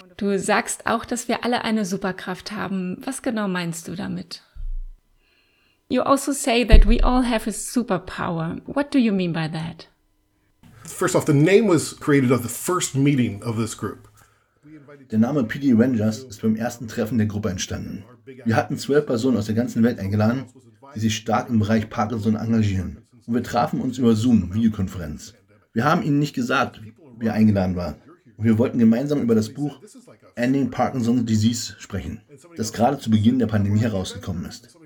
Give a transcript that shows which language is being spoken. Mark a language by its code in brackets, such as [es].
[de] Du sagst auch, dass wir alle eine Superkraft haben. Was genau meinst du damit? [en] You also say that we all have a superpower. What do you mean by that? First off, the name was created at the first meeting of this group. [de] Der Name PD Rangers ist beim ersten Treffen der Gruppe entstanden. Wir hatten 12 Personen aus der ganzen Welt eingeladen, die sich stark im Bereich Parkinson engagieren. Und wir trafen uns über Zoom, Videokonferenz. Wir haben ihnen nicht gesagt, wer eingeladen war. Und wir wollten gemeinsam über das Buch Ending Parkinson Disease sprechen, das gerade zu Beginn der Pandemie herausgekommen ist.